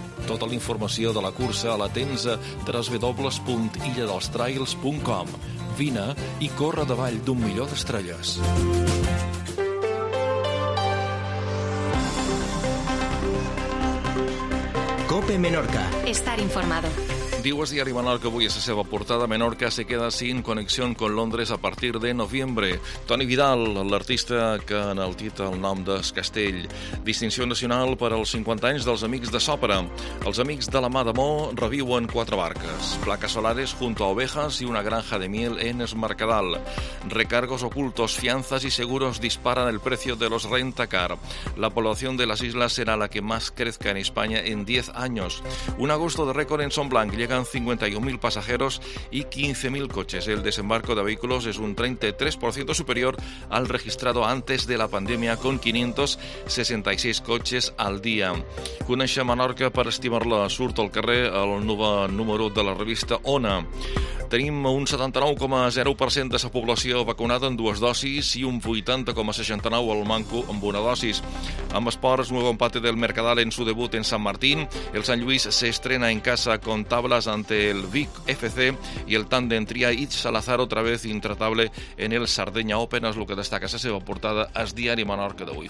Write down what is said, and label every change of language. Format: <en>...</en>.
<ca>Tota la informació de la cursa la tens a www.illadelstrails.com. Vine i corre davall d'un milió d'estrelles. COPE Menorca.</ca> <es>Estar informado.</es> <ca>Diu es Diari Menorca avui a la seva portada.</ca> <es>Menorca se queda sin conexión con Londres a partir de noviembre.</es> <ca>Toni Vidal, l'artista que enaltita el nom d'Es Castell. Distinció nacional per als 50 anys dels Amics de Sòpera. Els Amics de la Mà de Mó reviuen quatre barques.</ca> <es>Placas solares junto a ovejas y una granja de miel en Es Mercadal. Recargos ocultos, fianzas y seguros disparan el precio de los rentacar. La población de las islas será la que más crezca en España en 10 años. Un agosto de récord en Son Blanc. Llegan 51.000 pasajeros y 15.000 coches. El desembarco de vehículos es un 33% superior al registrado antes de la pandemia, con 566 coches al día.</es> <ca>Coneixer Menorca per estimar-la. Surt al carrer el nou número de la revista Ona. Tenim un 79,0% de la població vacunada en dues dosis i un 80,69% al manco amb una dosi. Amb esports, nou</ca> <es>empate del Mercadal en su debut en Sant Martín. El Sant Lluís</es> <ca>s'estrena</ca> <es>en casa con tablas ante el Vic FC y el tándem Tria y Salazar otra vez intratable en el Sardenya Open.</es> <ca>És el que destaca la seva portada es Diari Menorca d'avui.</ca>